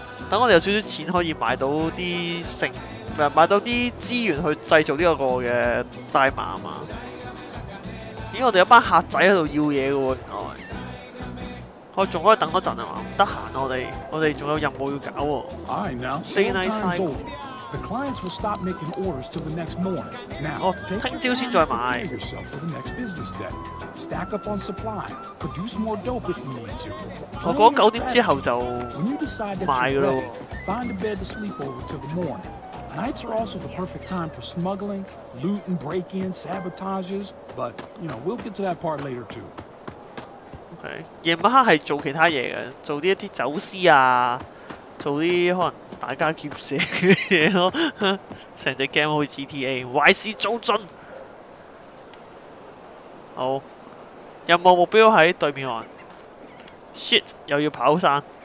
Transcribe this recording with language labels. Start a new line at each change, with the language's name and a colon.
Cantonese: 等我哋有少少钱可以买到啲成，唔系买到啲资源去制造呢个嘅大麻啊嘛。咦，我哋有班客仔喺度要嘢嘅喎，原来。我仲可以等多阵啊嘛，得闲啊，我哋仲有任务要搞喎。
English: Stay nice over. The clients will stop making orders till the next morning. Now,
Cantonese: 听朝先再买。
English: Prepare yourself for the next business day. Stack up on supply. Produce more dope if you need to.
Cantonese: 我讲九点之后就卖噶咯。
English: Find a bed to sleep over till the morning. Nights are also the perfect time for smuggling, loot and break-in, sabotages. But you know, we'll get to that part later too.
Cantonese: 夜晚黑是做其他嘢嘅，做啲一啲走私啊，做啲可能打家劫舍嘅嘢咯。成只 game 好似 GTA， 坏事做尽。好，任务目标喺对面岸。shit， 又要跑山。